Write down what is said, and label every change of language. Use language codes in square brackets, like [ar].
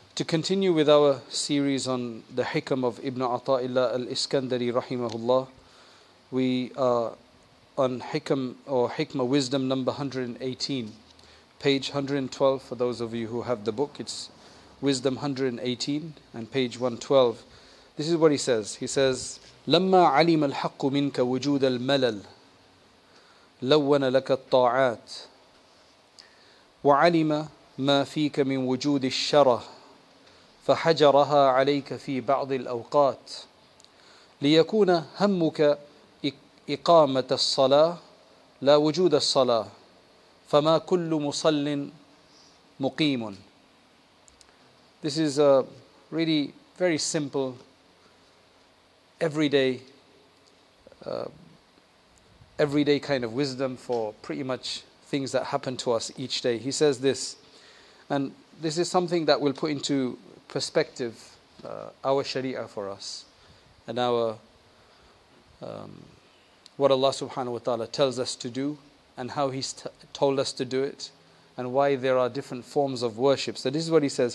[en] To continue with our series on the Hikam of Ibn Ata'illah al-Iskandari rahimahullah, we are on Hikam or Hikmah Wisdom number 118, page 112 for those of you who have the book. It's Wisdom 118 and page 112. This is what he says. He says, [ar] لما علم الحق منك وجود الملل لون لك الطاعات وعلم ما فيك من وجود الشره فحجرها عليك في بعض الأوقات ليكون همك إقامة الصلاة لا وجود الصلاة فما كل مصل مقيم. [en] This is a really very simple everyday kind of wisdom for pretty much things that happen to us each day. He says this, and this is something that we'll put into perspective, our Sharia for us, and our what Allah subhanahu wa ta'ala tells us to do, and how He's told us to do it, and why there are different forms of worship. So this is what he says.